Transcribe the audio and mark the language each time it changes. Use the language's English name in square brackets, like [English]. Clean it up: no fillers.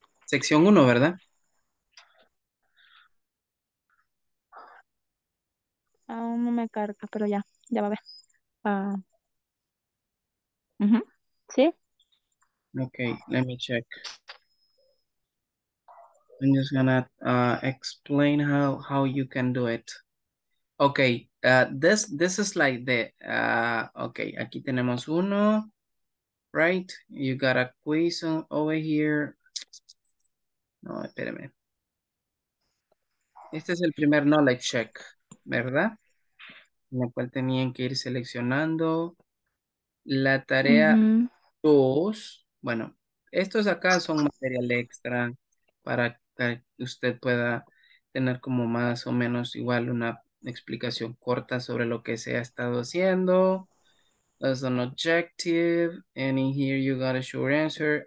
[Spanish] Sección 1, ¿verdad? Aún no me carga, pero ya, ya va a ver. ¿Sí? [English] Okay, let me check. I'm just gonna explain how you can do it. Okay, this is like the, okay, [Spanish] aquí tenemos uno, [English] right? You got a quiz on, over here. No, espérame. [Spanish] Este es el primer knowledge check, ¿verdad? En el cual tenían que ir seleccionando la tarea 2. Bueno, estos acá son material extra. para que usted pueda tener como más o menos igual una explicación corta sobre lo que se ha estado haciendo. [English] As an objective, and in here you got a short answer.